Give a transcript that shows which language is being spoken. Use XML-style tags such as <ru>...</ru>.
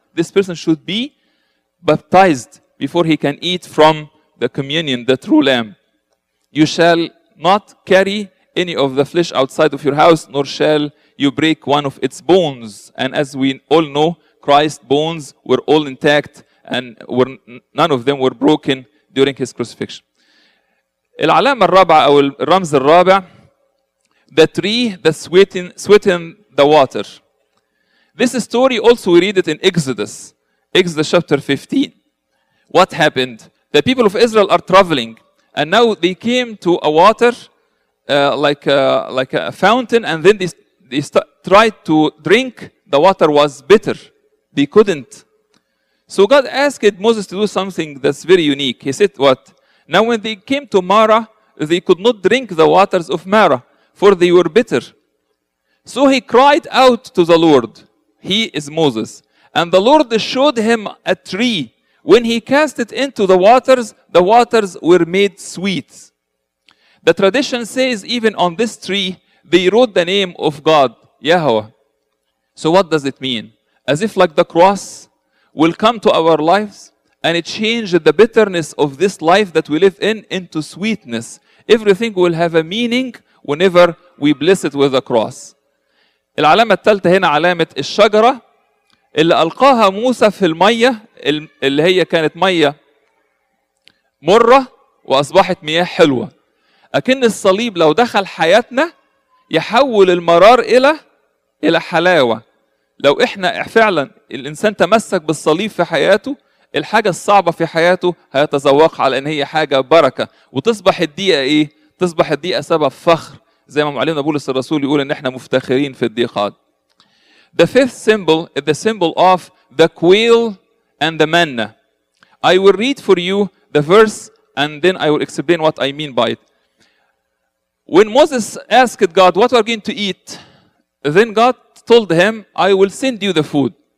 <en>This person should be baptized before he can eat from the communion, the true lamb. You shall not carry any of the flesh outside of your house, nor shall you break one of its bones. And as we all know, Christ's bones were all intact and none of them were broken during his crucifixion.</en> <ar>العلامة الرابعة أو الرمز الرابع,</ar> <en>the tree that sweetened the water. This story also, we read it in Exodus. Exodus chapter 15. What happened? The people of Israel are traveling, and now they came to a water, like a fountain, and then they tried to drink. The water was bitter. They couldn't. So God asked Moses to do something that's very unique. He said, what? Now when they came to Marah, they could not drink the waters of Marah, for they were bitter. So he cried out to the Lord. He is Moses. And the Lord showed him a tree. When he cast it into the waters were made sweet. The tradition says even on this tree, they wrote the name of God, Yahweh. So what does it mean? As if like the cross will come to our lives and it changed the bitterness of this life that we live in into sweetness. Everything will have a meaning whenever we bless it with a cross.</en> <ar>العلامة الثالثة هنا علامة الشجرة اللي ألقاها موسى في المية اللي هي كانت مية مرة وأصبحت مياه حلوة. أكن الصليب لو دخل حياتنا يحول المرار إلى حلاوة. لو إحنا فعلا الإنسان تمسك بالصليب في حياته، الحاجة الصعبة في حياته هيتذوقها على إن هي حاجة بركة، وتصبح الضيقة إيه؟ تصبح الضيقة سبب فخر، زي ما معلمنا بولس الرسول يقول إن إحنا مفتخرين في الضيقات.</ar> <en>The fifth symbol is the symbol of the quail and the manna. I will read for you the verse and then I will explain what I mean by it. When Moses asked God, what are we going to eat? Then God told him, I will send you the food.</en>